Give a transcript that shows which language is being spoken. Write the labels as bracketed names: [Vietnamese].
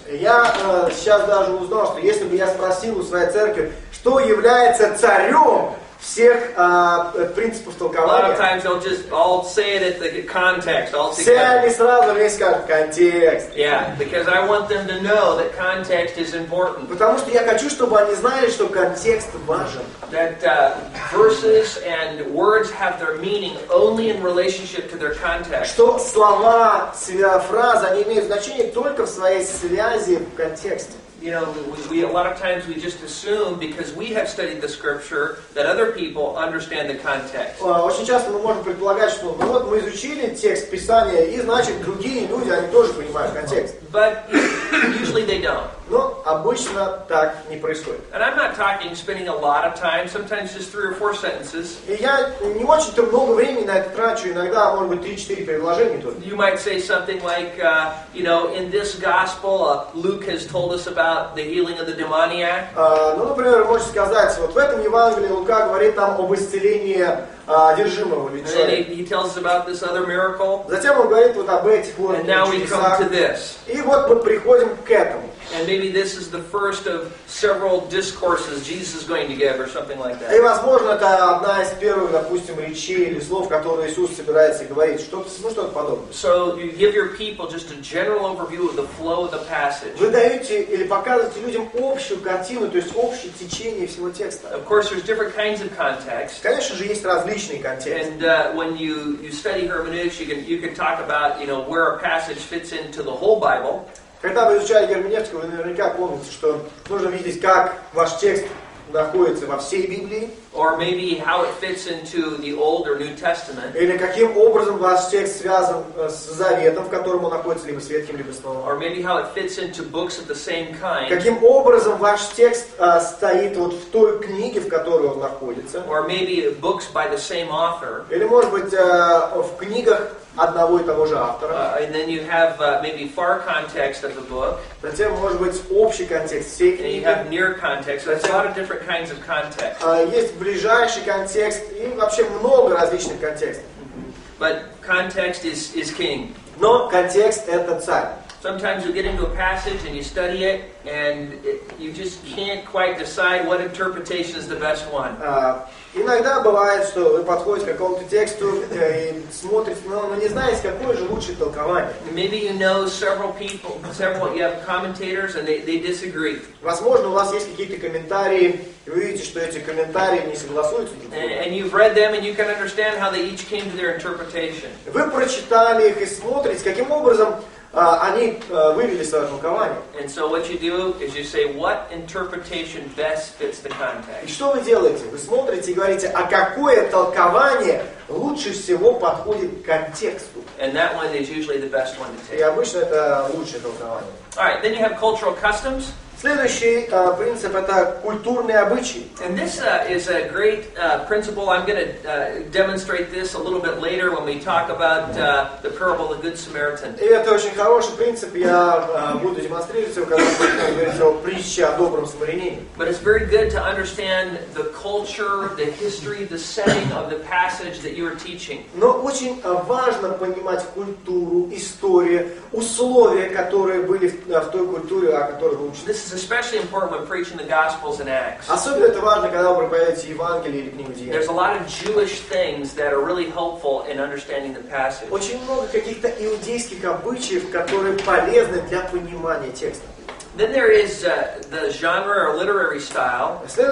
[Russian] Я сейчас даже узнал, что если бы я спросил у своей церкви, что является царем всех принципов толкования. [English] A lot of times they'll just all say it at the context. [Russian] Все они сразу мне скажут контекст. [English] Yeah, because I want them to know that context is important. [Russian] Потому что я хочу, чтобы они знали, что контекст важен. [English] That verses and words have their meaning only in relationship to their context. [Russian] Что слова, фразы, они имеют значение только в своей связи в контексте. [English] You know, we a lot of times we just assume because we have studied the scripture that other people understand the context. [Russian] Очень часто мы можем предполагать, что ну вот мы изучили текст Писания, и значит другие люди они тоже понимают контекст. [English] But usually they don't. [Russian] Ну, обычно так не происходит. [English] And I'm not talking spending a lot of time, sometimes just 3 or 4 sentences. [Russian] И я не очень-то много времени на это трачу, иногда, может быть, 3-4 предложения только. [English] You might say something like, you know, in this gospel, Luke has told us about the healing of the demoniac. [Russian] Ну, например, вы можете сказать, вот в этом Евангелии Лука говорит нам об исцелении одержимого или человека. [English] He tells us about this other miracle. [Russian] Затем он говорит вот об этих вот чудесах. [English] And now we come to this. [Russian] И вот мы приходим к этому. [English] And maybe this is the first of several discourses Jesus is going to give, or something like that. [Russian] И возможно, это одна из первых, допустим, речей или слов, которые Иисус собирается говорить. Что-то подобное. [English] So you give your people just a general overview of the flow of the passage. [Russian] Вы даете или показываете людям общую картину, то есть общее течение всего текста. [English] Of course, there's different kinds of context. [Russian] Конечно же, есть различные контексты. [English] And when you study hermeneutics, you can talk about, you know, where a passage fits into the whole Bible. [Russian] Когда вы изучали герменевтику, вы наверняка помните, что нужно видеть, как ваш текст находится во всей Библии. [English] Or maybe how it fits into the Old or New Testament. [Russian] Или каким образом ваш текст связан с Заветом, в котором он находится, либо с Ветхим, либо с Новым. [English] Or maybe how it fits into books of the same kind. [Russian] Каким образом ваш текст стоит вот в той книге, в которой он находится. [English] Or maybe books by the same author. [Russian] Или, может быть, в книгах одного и того же автора. [English] And then you have maybe far context of the book. [Russian] Затем, может быть, общий контекст всей книги. [English] And you have near context. So there's a lot of different kinds of context. [Russian] Есть ближайший контекст и вообще много различных контекстов. [English] But context is king. [Russian] Но контекст — это царь. [English] Sometimes you get into a passage and you study it, and you just can't quite decide what interpretation is the best one. [Russian] Иногда бывает, что вы подходите к какому-то тексту и смотрите, но не знаете, какое же лучшее толкование. [English] Maybe you know several people, you have commentators, and they disagree. [Russian] Возможно, у вас есть какие-то комментарии, и вы видите, что эти комментарии не согласуются друг с другом. [English] And you've read them, and you can understand how they each came to their interpretation. [Russian] Вы прочитали их и смотрите, каким образом они вывели свое толкование. [English] And so what you do is you say, what interpretation best fits the context? [Russian] И что вы делаете? Вы смотрите и говорите, а какое толкование лучше всего подходит к контексту? [English] And that one is usually the best one to take. [Russian] И обычно это лучшее толкование. [English] All right, then you have cultural customs. [Russian] Следующий принцип — это культурные обычаи. [English] And this is a great principle. I'm going to demonstrate this a little bit later when we talk about the parable of the Good Samaritan. [Russian] И это очень хороший принцип. Я буду демонстрировать его, когда будем говорить о притче о добром самарянине. [English] But it's very good to understand the culture, the history, the setting of the passage that you are teaching. [Russian] Но очень важно понимать культуру, историю, условия, которые были в той культуре, о которой вы учите. [English] This is especially important when preaching the Gospels and Acts. [Russian] Особенно это важно, когда вы проповедуете Евангелие или книгу Деяний. [English] There's a lot of Jewish things that are really helpful in understanding the passage. [Russian] Очень много каких-то иудейских обычаев, которые полезны для понимания текста. [English] Then there is the genre or literary style.